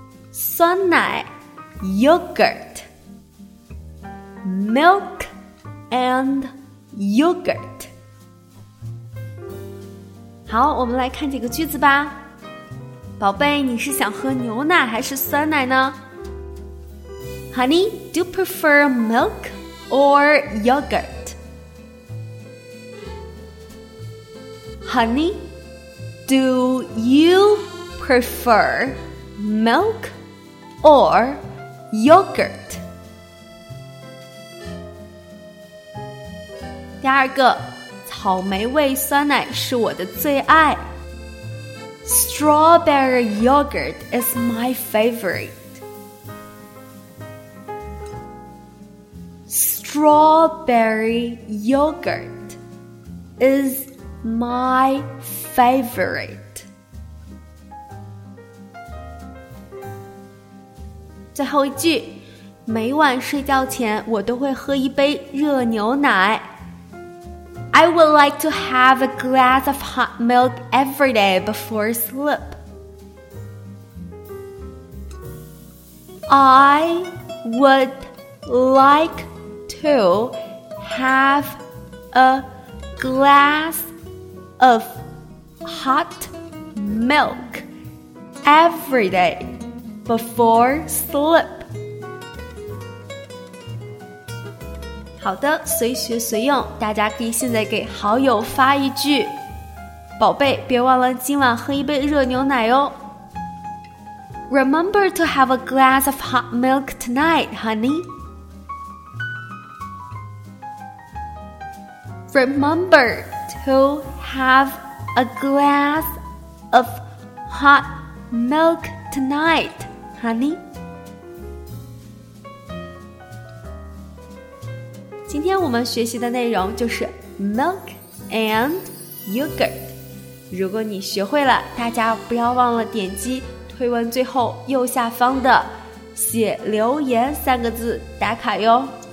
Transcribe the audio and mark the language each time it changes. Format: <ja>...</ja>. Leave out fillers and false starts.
<en>酸奶 yogurt， milk and yogurt。</en> <zh>好，我们来看几个句子吧。宝贝，你是想喝牛奶还是酸奶呢？</zh> <en>Honey, do you prefer milk or yogurt? Honey, do you prefer milkOr yogurt.</en> <zh>第二个，草莓味酸奶是我的最爱。</zh> <en>Strawberry yogurt is my favorite. Strawberry yogurt is my favorite.</en> <zh>最后一句，每晚睡觉前我都会喝一杯热牛奶。</zh> <en>I would like to have a glass of hot milk every day before sleep. I would like to have a glass of hot milk every day. Before sleep.</en> <zh>好的，随学随用，大家可以现在给好友发一句，宝贝，别忘了今晚喝一杯热牛奶哦。</zh> <en>Remember to have a glass of hot milk tonight, honey. Remember to have a glass of hot milk tonight. Honey，</en> <zh>今天我们学习的内容就是</zh> <en>milk and yogurt。</en> <zh>如果你学会了，大家不要忘了点击推文最后右下方的写留言三个字打卡哟。</zh>